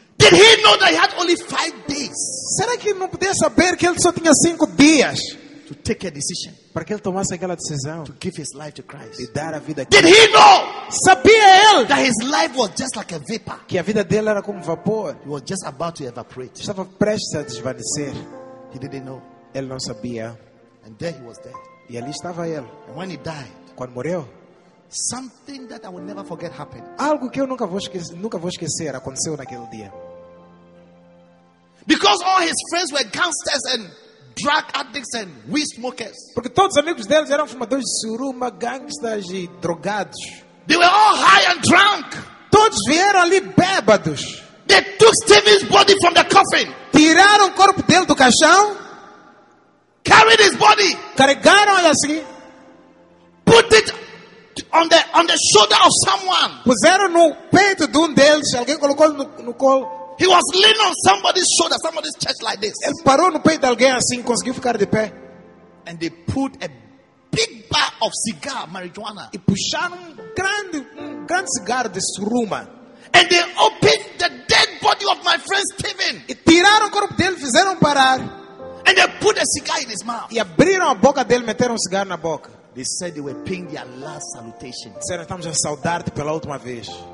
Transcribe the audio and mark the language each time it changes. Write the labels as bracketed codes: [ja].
[en] Did he know that he had only 5 days? [pt] Será que ele não podia saber que ele só tinha 5 dias? [en] To take a decision. [pt] Para que ele tomasse aquela decisão. [en] To give his life to Christ. [pt] E dar a vida a [en] Cristo. Did he know? [pt] Sabia ele. [en] That his life was just like a vapor. [pt] Que a vida dele era como vapor. [en] He was just about to evaporate. [pt] Estava prestes a desvanecer. [en] He didn't know. [pt] Ele não sabia. [en] And there he was dead. [pt] E ali estava ele. [en] And when he died. [pt] Quando morreu. [en] Something that I will never forget happened. [pt] Algo que eu nunca vou esquecer aconteceu naquele dia. [en] Because all his friends were gangsters and drug addicts and weed smokers. [pt] Porque todos os amigos deles eram fumadores de suruma, gangsters e drogados. [en] They were all high and drunk. [pt] Todos vieram ali bêbados. [en] They took Stephen's body from the coffin. [pt] Tiraram o corpo dele do caixão. [en] Carried his body. [pt] Carregaram ele assim. [en] Put it on the shoulder of someone. [pt] Puseram no peito de um deles. Alguém colocou no colo. [en] He was leaning on somebody's shoulder, somebody's chest like this. [pt] Ele parou no peito de alguém assim, conseguiu ficar de pé. [en] And they put a big bar of cigar, marijuana. [pt] E puxaram um grande cigarro de suruma. [en] And they opened the dead body of my friend Stephen. [pt] E tiraram o corpo dele, fizeram parar. [en] And they put a cigar in his mouth. [pt] E abriram a boca dele, meteram um cigarro na boca. [en] They said they were paying their last salutation. [pt] Disseram que estamos a saudar-te pela última vez.